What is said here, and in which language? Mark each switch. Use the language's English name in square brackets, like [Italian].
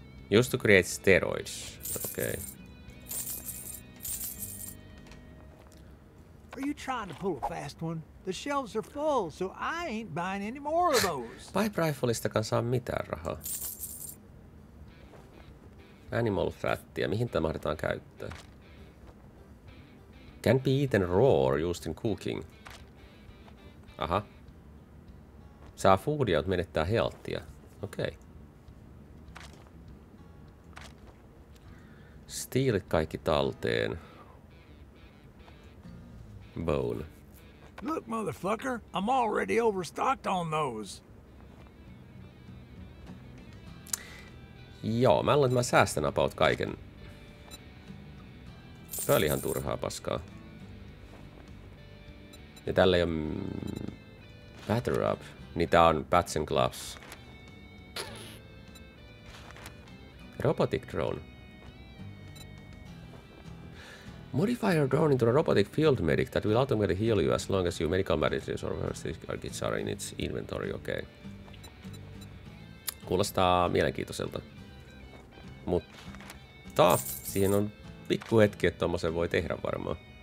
[English] Just to create steroids. Okay. Are you trying to pull a fast one? The shelves are full, so I ain't buying any more of those. [Finnish] Pipe riflestakaan saa mitään rahaa. Animal fattia, mihin tämä mahdetaan käyttää? [English] Can be eaten raw or used in cooking. Aha. [Finnish] Saa foodia, mutta menettää healthia. Okei. Okay. Steelit kaikki talteen. [English] Bone. Look, motherfucker, I'm already overstocked on those. [Finnish] Joo, mä luulen, että mä säästän about kaiken. Tää oli ihan turhaa paskaa. Ja tällä ei ole... [English] Batter up. [Finnish] Niin tää on [English] bats and gloves. Robotic drone. Modify your drone into a robotic field medic that will automatically heal you as long as your medical medicines or first aid kits are in its inventory, okay. [Finnish] Kuulostaa mielenkiintoiselta. Mutta siihen on pikku hetki, että tommosen voi tehdä varmaan.